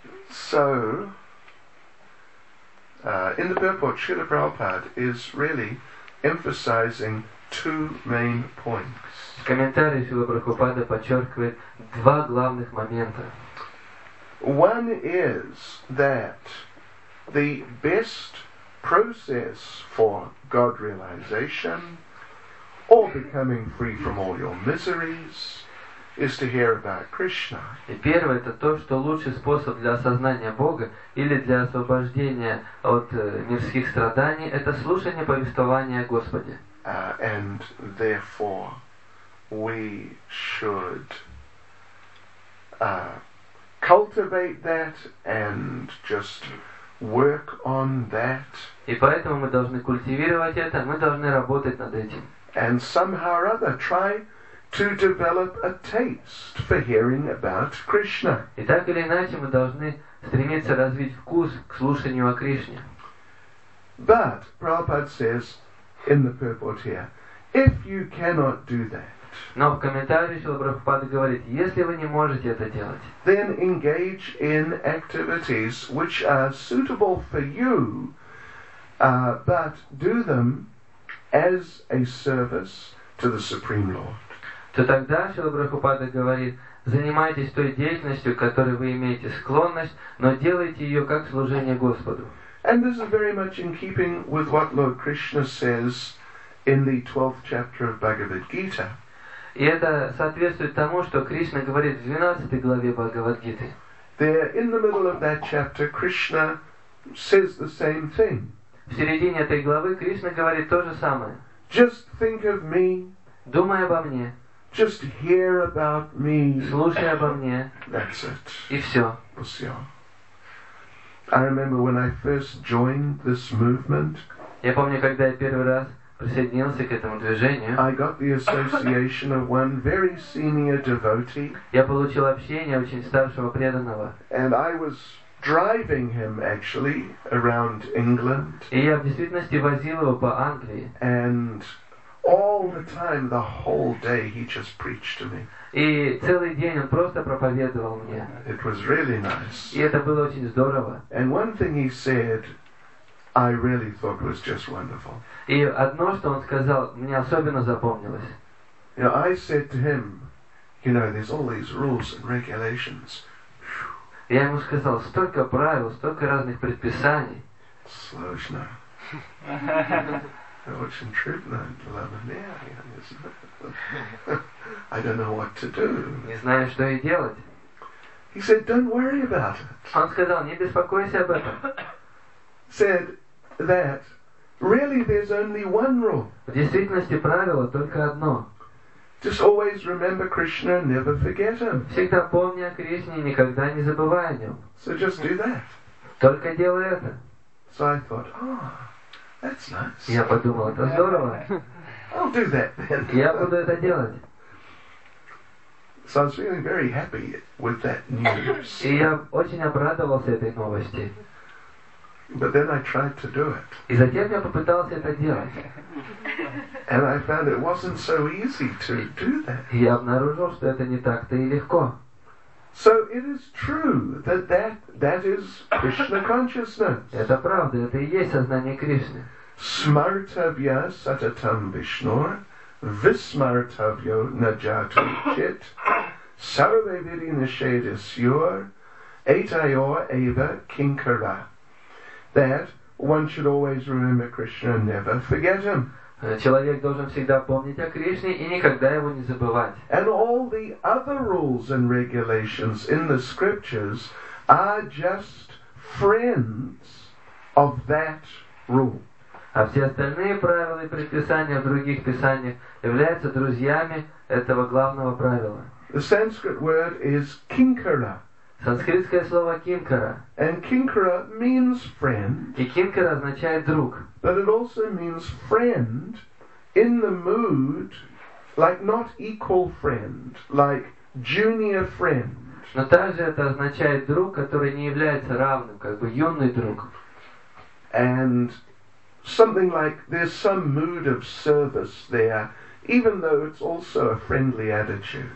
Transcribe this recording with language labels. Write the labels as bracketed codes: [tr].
[en] So, in the purport, Srila Prabhupada is really emphasizing two main points. [ru] Комментарий Шрила Прабхупады подчеркивает два главных момента. [en] One is that the best process for God realization or becoming free from all your miseries is to hear about Krishna. [ru] И первое — это то, что лучший способ для осознания Бога или для освобождения от мирских страданий — это слушание повествования о Господе. [en] And therefore we should cultivate that and just work on that. [ru] И поэтому мы должны культивировать это, мы должны работать над этим. [en] And somehow or other try to develop a taste for hearing about Krishna. [ru] И так или иначе мы должны стремиться развить вкус к слушанию о Кришне. [en] But Prabhupada says in the purport here, if you cannot do that. [ru] Но в комментарии Шрила Прабхупада говорит, если вы не можете это делать, [en] then engage in activities which are suitable for you, but do them as a service to the Supreme Lord. [ru] То тогда Шрила Прабхупада говорит, занимайтесь той деятельностью, к которой вы имеете склонность, но делайте ее как служение Господу. [en] And this is very much in keeping with what Lord Krishna says in the 12th chapter of Bhagavad Gita. [ru] И это соответствует тому, что Кришна говорит в 12 главе Бхагавад-гиты. [en] There, in the middle of that chapter, Krishna says the same thing. [ru] В середине этой главы Кришна говорит то же самое. [en] Just think of me. [ru] Думай обо мне. [en] Just hear about me. [ru] Слушай обо мне. [en] That's it. [ru] И все. Все. [en] I remember when I first joined this movement. [ru] Я помню, когда я первый раз присоединился к этому движению. [en] I got the association of one very senior devotee. [ru] Я получил общение очень старшего преданного. [en] And I was driving him actually around England. [ru] И я в действительности возил его по Англии. [en] And all the time, the whole day, he just preached to me. [ru] И целый день он просто проповедовал мне. [en] It was really nice. [ru] И это было очень здорово. [en] And one thing he said, I really thought it was just wonderful. [ru] И одно, что он сказал, мне особенно запомнилось. [en] You know, I said to him, you know, there's all these rules and regulations. [ru] Я ему сказал, столько правил, столько разных предписаний. Сложно. [en] Oh, it's in truth 9-11, yeah, yeah, isn't it? I don't know what to do. [ru] Не знаю, что и делать. [en] He said, "Don't worry about it." [ru] Он сказал, не беспокойся об этом. [en] Said that really there's only one rule. [ru] В действительности правило только одно. [en] Just always remember Krishna, never forget him. [ru] Всегда помни о Кришне, никогда не забывай о нем. [en] So just do that. [ru] Только делай это. [en] So I thought, oh, that's nice. [ru] Я подумал, это здорово. [en] I'll do that then. [ru] Я буду это делать. [en] So I was feeling very happy with that news. [ru] И я очень обрадовался этой новости. [en] But then I tried to do it. [ru] И затем я попытался это делать. [en] And I found it wasn't so easy to do that. [ru] И я обнаружил, что это не так-то и легко. [en] So it is true that is Krishna consciousness. [ru] Это правда, это и есть сознание Кришны. [sa] Smartavya satatam Vishnur. Vismartavyo najatu chit sarvevidhi nishedasyur etayor eva kinkara. [en] That one should always remember Krishna and never forget him. [ru] Человек должен всегда помнить о Кришне и никогда его не забывать. [en] And all the other rules and regulations in the scriptures are just friends of that rule. [ru] А все остальные правила и предписания в других писаниях являются друзьями этого главного правила. [en] The Sanskrit word is kinkara. [ru] Санскритское слово kinkara. [en] And kinkara means friend. [ru] И kinkara означает друг. [en] But it also means friend in the mood, like not equal friend, like junior friend. [ru] Но также это означает друг, который не является равным, как бы юный друг. [en] And something like there's some mood of service there, even though it's also a friendly attitude.